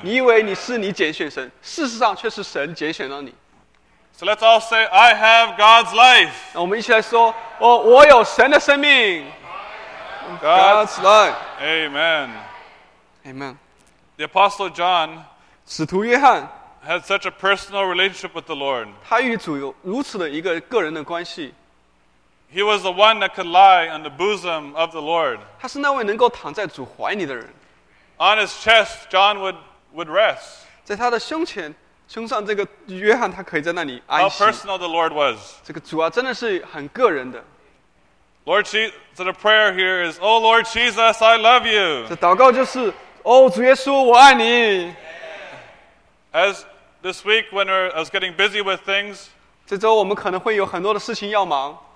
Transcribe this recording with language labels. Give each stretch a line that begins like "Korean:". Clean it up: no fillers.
Chinese: 你以为你是你拣选神，事实上却是神拣选了你。
English: So let's all say, I have God's life.
Chinese: 那我们一起来说，我有神的生命。
English: God's life. Amen. Amen. The Apostle John
Chinese: 使徒约翰
English: had such a personal relationship with the Lord.
Chinese: 他与主有如此的一个个人的关系。
English: He was the one that could lie on the bosom of the Lord.
Chinese: 他是那位能够躺在主怀里的人。
English: On his chest, John would rest.
Chinese: 在他的胸前胸上这个约翰他可以在那里安息。
English: How personal the Lord was.
Chinese: 这个主啊真的是很个人的。
English: Lord Jesus, so the prayer here is, Oh Lord Jesus, I love you.
Chinese: 这祷告就是Oh, 主耶稣我爱你。
English: As this week when I was getting busy with things,
Chinese: 这周我们可能会有很多的事情要忙。